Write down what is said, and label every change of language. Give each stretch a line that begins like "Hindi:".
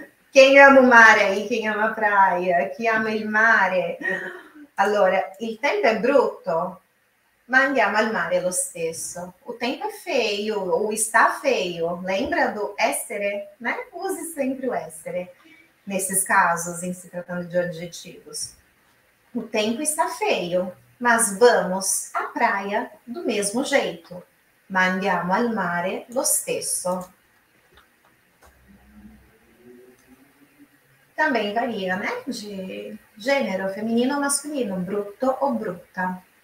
Italian: Chi ama mare, chi ama
Portuguese: praia,
Italian: chi ama il mare. Allora, il tempo è brutto, ma andiamo al mare lo stesso.
Portuguese: O tempo è feio, o está feio. Lembra do essere, né? Use sempre o essere, nesses casos, em se tratando de adjetivos. O tempo está feio, mas vamos à praia do mesmo jeito.
Italian: Ma andiamo al mare lo stesso.
Portuguese: Também varia, né? De gênero, feminino ou masculino, brutto ou brutta.